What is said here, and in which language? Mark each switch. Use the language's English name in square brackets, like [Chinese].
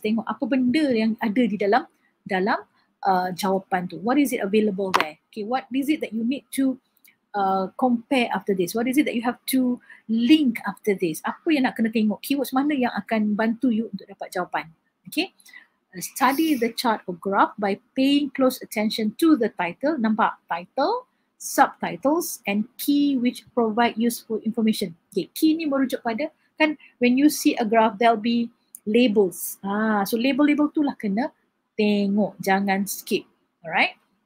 [Malay] Tengok apa benda yang ada di dalam jawapan tu. [English] What is it available there? Okay, what is it that you need to compare after this? What is it that you have to link after this? [Malay] Apa yang nak kena tengok? Keywords mana yang akan bantu you untuk dapat jawapan? [English] Okay, study the chart or graph by paying close attention to the title. [Malay] Nampak? [English] Title, subtitles and key which provide useful information. Okay, key [Malay] ni merujuk pada kan, [English] when you see a graph, there'll be labels. [Malay] So label-label tu lah kena tengok, jangan skip. Alright?